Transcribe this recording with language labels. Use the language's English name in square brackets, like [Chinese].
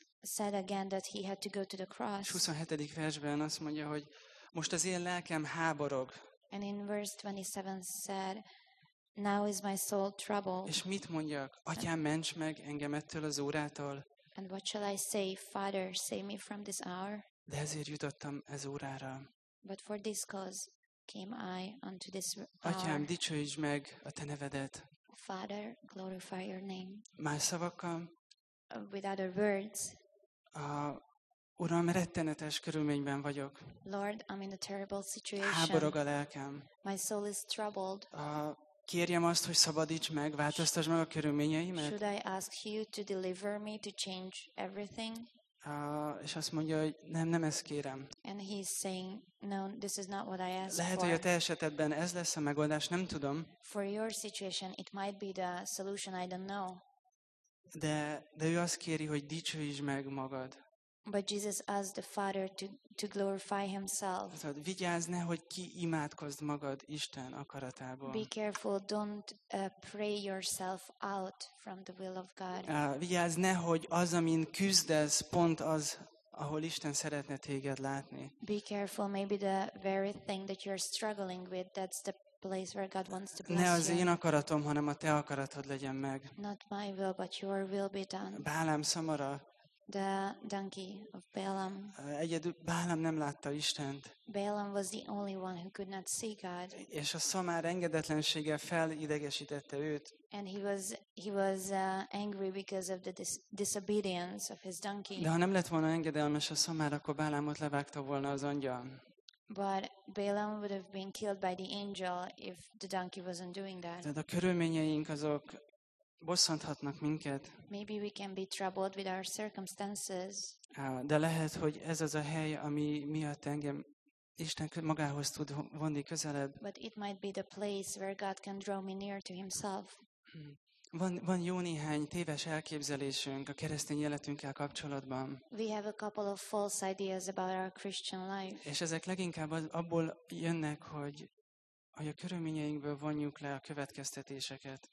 [English] said again that he had to go to the cross. [Hungarian] 27. versben azt mondja, hogy most az én lelkem háborog. [English] And in verse 27 said, now is my soul troubled. [Hungarian] És mit mondjak? Atyám, ments meg engem ettől az órától. [English] And what shall I say, Father, save me from this hour? [Hungarian] De ezért jutottam ez órára. [English] But for this cause came I unto this hour. [Hungarian] Atyám, dicsőítsd meg a te nevedet. [English] Father, glorify your name. [Hungarian] Más szavakkal. [English] With other words. [Hungarian] Uram, rettenetes körülményben vagyok. [English] Lord, I'm in a terrible situation. [Hungarian] Háborog a lelkem. [English] My soul is troubled. [Hungarian] Kérjem azt, hogy szabadíts meg, változtass meg a körülményeimet. [English] Should I ask you to deliver me, to change everything? [Hungarian] És azt mondja, hogy nem ezt kérem. [English] And he's saying, no, this is not what I asked for. [Hungarian] Lehet, hogy a te esetedben ez lesz a megoldás, nem tudom. [English] For your situation, it might be the solution, I don't know. [Hungarian] De ő azt kéri, hogy dicsőítsd meg magad. [English] But Jesus asked the Father to glorify himself. [Hungarian] Vigyázz, nehogy ki imádkozd magad Isten akaratából. [English] Be careful, don't pray yourself out from the will of God. [Hungarian] Vigyázz, nehogy az, amin küzdesz, pont az, ahol Isten szeretne téged látni. [English] Be careful, maybe the very thing that you're struggling with, that's the place where God wants to bless [Hungarian] ne az én akaratom, hanem a te akaratod legyen meg. [English] Not my will, but your will be done. [Hungarian] Bálám Szamara. [English] The donkey of Balaam. [Hungarian] Egyedül Balaam nem látta Istent. [English] Balaam was the only one who could not see God. [Hungarian] És a szamár engedetlensége felidegesítette őt. [English] And he was angry because of the disobedience of his donkey. [Hungarian] De ha nem lett volna engedelmes a szamár, akkor Balaamot levágta volna az angyal. [English] But Balaam would have been killed by the angel if the donkey wasn't doing that. [Hungarian] De a körülményeink azok bosszanthatnak minket. [English] Maybe we can be troubled with our circumstances. [Hungarian] De lehet, hogy ez az a hely, ami miatt engem Isten magához tud vonni közelebb. [English] But it might be the place where God can draw me near to himself. [Hungarian] Van jó néhány téves elképzelésünk a keresztény életünkkel kapcsolatban. [English] We have a couple of false ideas about our Christian life. [Hungarian] És ezek leginkább abból jönnek, hogy a körülményeinkből vonjuk le a következtetéseket.